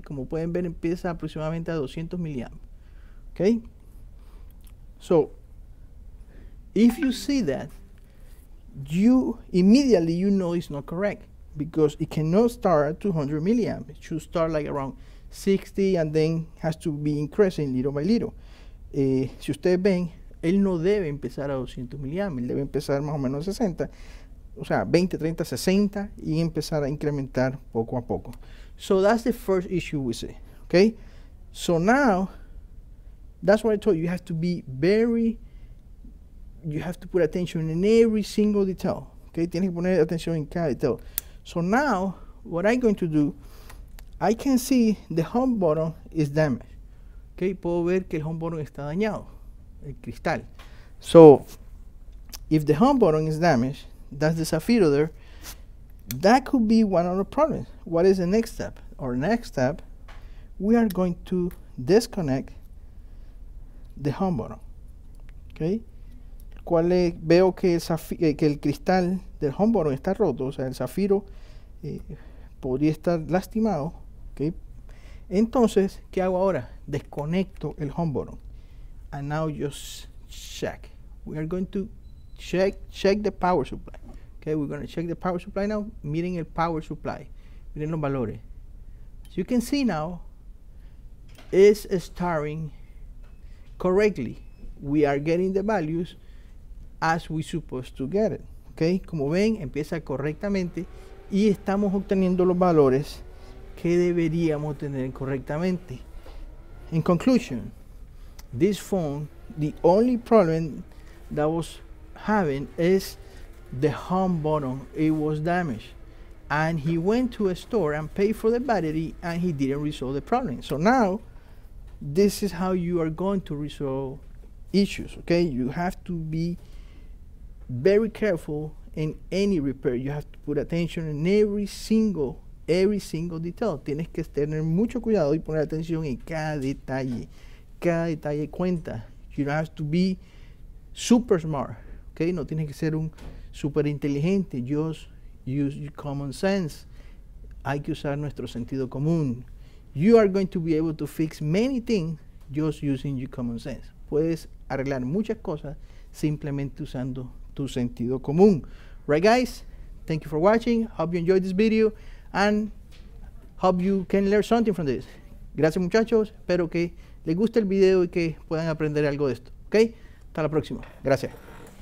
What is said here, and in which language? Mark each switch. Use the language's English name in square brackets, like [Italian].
[Spanish] Como pueden ver, empieza aproximadamente a 200 milliamps. Okay. [English] So if you see that, you immediately you know it's not correct because it cannot start at 200 milliamps. It should start like around 60 and then has to be increasing little by little. [Spanish] Si ustedes ven, él no debe empezar a 200 miliamps, él debe empezar más o menos 60, o sea, 20, 30, 60, y empezar a incrementar poco a poco. [English] So that's the first issue we see, okay? So now, that's what I told you, you have to be very, you have to put attention in every single detail, okay? [Spanish] Tienes que poner atención en cada detail. [English] So now, what I'm going to do, I can see the home button is damaged, okay? [Spanish] Puedo ver que el home button está dañado. El cristal. [English] So, if the home button is damaged, that's the Zafiro there, that could be one of the problems. What is the next step? Our next step, we are going to disconnect the home button. [Spanish] Okay? ¿Cuál es? Veo que el cristal del home button está roto, o sea, el Zafiro podría estar lastimado. Okay? Entonces, ¿qué hago ahora? Desconecto el home button. [English] And now just check. We are going to check the power supply. Okay, we're going to check the power supply now. [Spanish] Miren el power supply. Miren los valores. [English] So you can see now, it's starting correctly. We are getting the values as we supposed to get it. [Spanish] Okay, como ven, empieza correctamente y estamos obteniendo los valores que deberíamos tener correctamente. [English] In conclusion, this phone, the only problem that was having is the home button. It was damaged. And he went to a store and paid for the battery and he didn't resolve the problem. So now, this is how you are going to resolve issues, okay? You have to be very careful in any repair. You have to put attention in every single detail. [Spanish] Tienes que tener mucho cuidado y poner atención en cada detalle. Cada detalle cuenta. [English] You don't have to be super smart, okay? [Spanish] No tienes que ser un super inteligente. [English] Just use your common sense. [Spanish] Hay que usar nuestro sentido común. [English] You are going to be able to fix many things just using your common sense. [Spanish] Puedes arreglar muchas cosas simplemente usando tu sentido común. [English] Right, guys? Thank you for watching. Hope you enjoyed this video. And hope you can learn something from this. [Spanish] Gracias, muchachos. Espero que les guste el video y que puedan aprender algo de esto. ¿Ok? Hasta la próxima. Gracias.